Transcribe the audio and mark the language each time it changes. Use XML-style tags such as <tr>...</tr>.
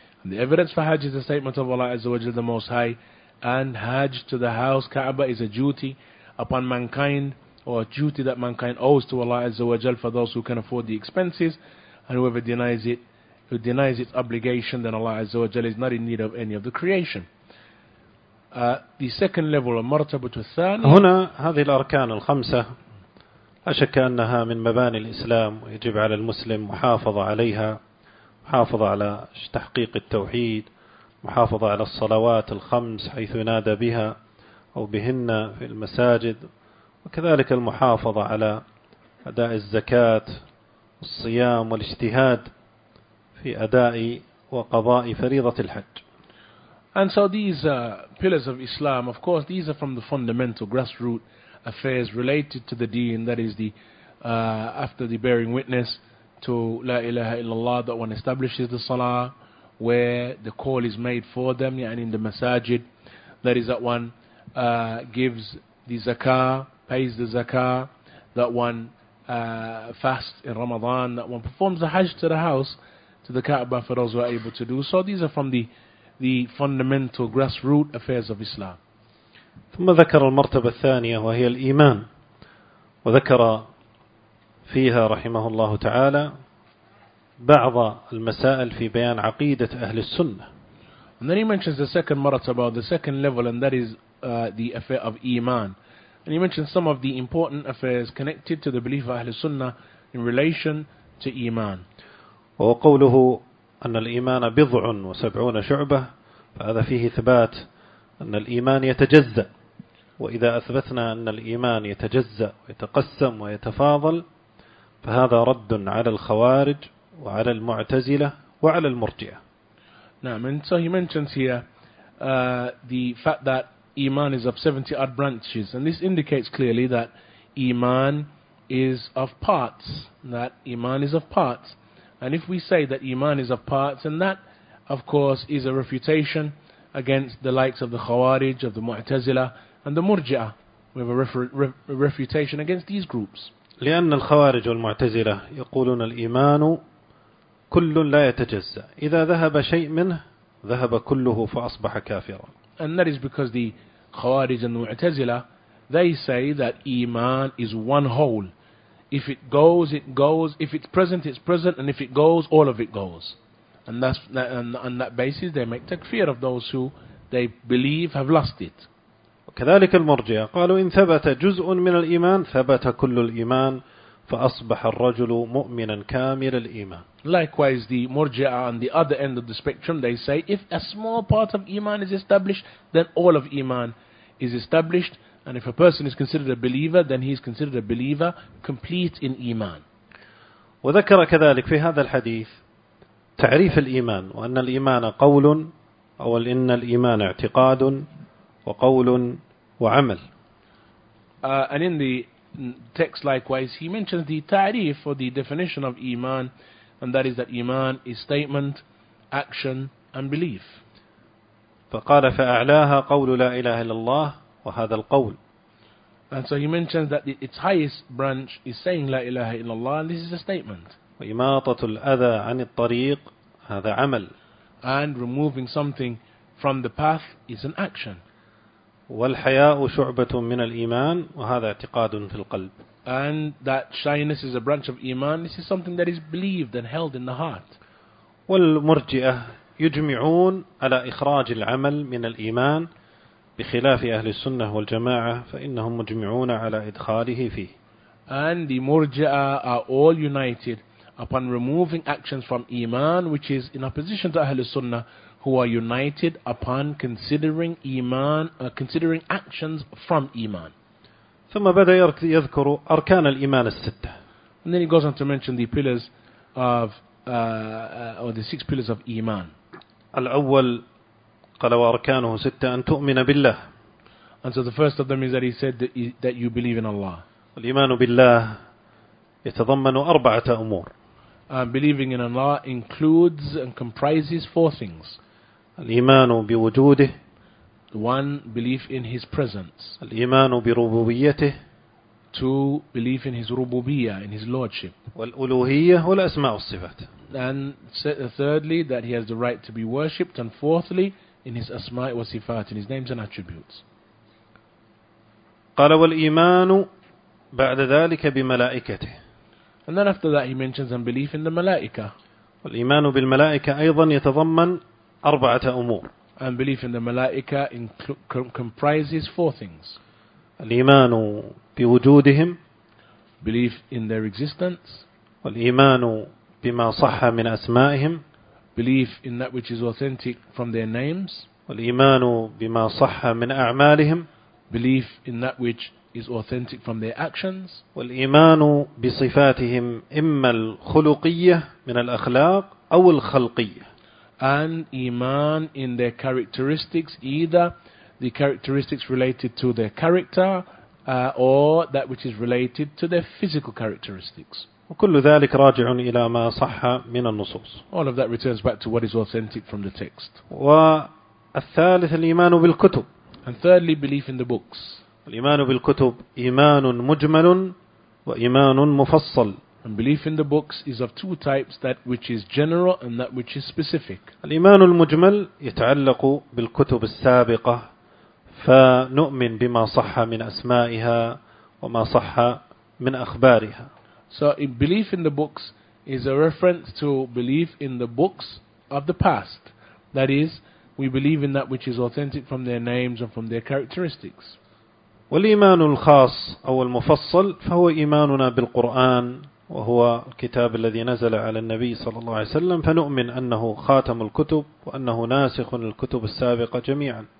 <en>And the evidence for Hajj is the statement of Allah</en> <ar>Azza wa Jalla</ar> <en>the Most High, and Hajj to the house, Kaaba, is a duty upon mankind, or a duty that mankind owes to Allah Azza wa Jalla for those who can afford the expenses, and whoever denies it, who denies its obligation, then Allah Azza wa Jalla is not in need of any of the creation. The second level of</en> <ar>martabat al-thani. هنا هذه الأركان الخمسة لا شك أنها من مباني الإسلام ويجب على المسلم محافظة عليها, محافظة على تحقيق التوحيد, محافظة على الصلوات الخمس حيث ينادى بها أو بهن في المساجد, وكذلك المحافظة على أداء الزكاة والصيام والاجتهاد في أداء وقضاء فريضة الحج.</ar> <en>And so these pillars of Islam, of course, these are from the fundamental grassroots affairs related to the deen, that is the after the bearing witness to</en> <ar>La ilaha illallah,</ar> <en>that one establishes the salah, where the call is made for them, yeah, and in the masajid, that is that one gives the zakah, pays the zakah, that one fasts in Ramadan, that one performs the hajj to the house, to the Kaaba, for those who are able to do so. These are from the fundamental grassroots affairs of Islam.</en> <ar>ثم ذكر المرتبة الثانية وهي الإيمان, وذكر فيها رحمه الله تعالى بعض المسائل في بيان عقيدة أهل السنة.</ar> <en>And then he mentions the second martaba, the second level, and that is the affair of Iman. And he mentions some of the important affairs connected to the belief of Ahl Sunnah in relation to Iman.</en> <ar>وقوله أن الإيمان بضع وسبعون شعبة, فهذا فيه ثبات أن الإيمان يتجزأ, وإذا أثبتنا أن الإيمان يتجزأ ويتقسم ويتفاضل فهذا رد على الخوارج وعلى المعتزلة وعلى المرجعة. نعم.</ar> <en>And so he mentions here the fact that Iman is of 70 odd branches, and this indicates clearly that Iman is of parts, that Iman is of parts. And if we say that Iman is of parts, and that of course is a refutation against the likes of the Khawarij, of the Mu'tazila, and the Murji'ah. We have a refutation against these groups.</en> <ar>لأن الخوارج والمعتزلة يقولون الإيمان كل لا يتجزأ, إذا ذهب شيء منه ذهب كله فأصبح كافرا.</ar> <en>And that is because the Khawarij and the Mu'tazila, they say that Iman is one whole. If it goes, it goes. If it's present, it's present. And if it goes, all of it goes. And that's that, and on that basis, they make takfir of those who they believe have lost it.</en> <ar>وكذلك المرجع قالوا إن ثبت جزء من الإيمان ثبت كل الإيمان فأصبح الرجل مؤمنا كامل الإيمان.</ar> <en>Likewise, the murji'ah on the other end of the spectrum, they say if a small part of Iman is established, then all of Iman is established. And if a person is considered a believer, then he is considered a believer complete in Iman.</en> <ar>وذكر كذلك في هذا الحديث تعريف الإيمان, وأن الإيمان قول, أو إن الإيمان اعتقاد وقول وعمل.</ar> <en>And in the text likewise, he mentions the ta'rif or the definition of Iman, and that is that Iman is statement, action, and belief.</en> <ar>فقال فأعلاها قول لا إله إلا الله وهذا القول.</ar> <en>And so he mentions that its highest branch is saying</en> <ar>لا إله إلا الله,</ar> <en>and this is a statement.</en> <ar>وإماطة الأذى عن الطريق هذا عمل.</ar> <en>And removing something from the path is an action.</en> <ar>والحياء شعبة من الإيمان وهذا اعتقاد في القلب.</ar> <en>And that shyness is a branch of iman. This is something that is believed and held in the heart.</en> <ar>والمرجئة يجمعون على إخراج العمل من الإيمان بخلاف أهل السنة والجماعة فإنهم مجمعون على إدخاله فيه.</ar> <en>And the murji'a are all united upon removing actions from iman, which is in opposition to Ahl al-Sunnah, who are united upon considering iman, considering actions from iman.</en> <ar>ثم بدأ يذكر أركان الإيمان الستة.</ar> <en>And then he goes on to mention the pillars of or the six pillars of iman.</en> <ar>الأول قال وأركانه ستة أن تؤمن بالله.</ar> <en>And so the first of them is that he said that you believe in Allah.</en> <ar>الإيمان بالله يتضمن أربعة أمور.</ar> <en>Believing in Allah includes and comprises four things.</en> <ar>الإيمان بوجوده.</ar> <en>One, belief in His presence.</en> <ar>الإيمان بربوبيته.</ar> <en>Two, belief in His rububiyyah, in His lordship.</en> <ar>والألوهية والأسماء والصفات.</ar> <en>And thirdly, that He has the right to be worshipped. And fourthly, in His</en> <ar>أسماء والصفات,</ar> <en>in His names and attributes.</en> <ar>قال والإيمان بعد ذلك بملائكته.</ar> <en>And then after that he mentions a belief in the malaika.</en> <ar>والإيمان بالملائكة أيضا يتضمن أربعة أمور.</ar> <en>And belief in the malaika comprises four things.</en> <ar>الإيمان بوجودهم.</ar> <en>Belief in their existence.</en> <ar>والإيمان بما صح من أسمائهم.</ar> <en>Belief in that which is authentic from their names.</en> <ar>والإيمان بما صح من أعمالهم.</ar> <en>Belief in that which is authentic from their actions.</en> <ar>والإيمان بصفاتهم إما الخلقية من الأخلاق أو الخلقية.</ar> <en>And iman in their characteristics, either the characteristics related to their character or that which is related to their physical characteristics.</en> <ar>وكل ذلك راجع إلى ما صح من النصوص.</ar> <en>All of that returns back to what is authentic from the text.</en> <ar>والثالث الإيمان بالكتب.</ar> <en>And thirdly, belief in the books.</en> <ar>الإيمان بالكتب إيمان مجمل وإيمان مفصل.</ar> <en>And belief in the books is of two types, that which is general and that which is specific.</en> <ar>الإيمان المجمل يتعلق بالكتب السابقة فنؤمن بما صح من أسمائها وما صح من أخبارها.</ar> <en>So belief in the books is a reference to belief in the books of the past. That is, we believe in that which is authentic from their names and from their characteristics.</en> <ar>والإيمان الخاص أو المفصل فهو إيماننا بالقرآن وهو الكتاب الذي نزل على النبي صلى الله عليه وسلم فنؤمن أنه خاتم الكتب وأنه ناسخ الكتب السابقة جميعا.</ar>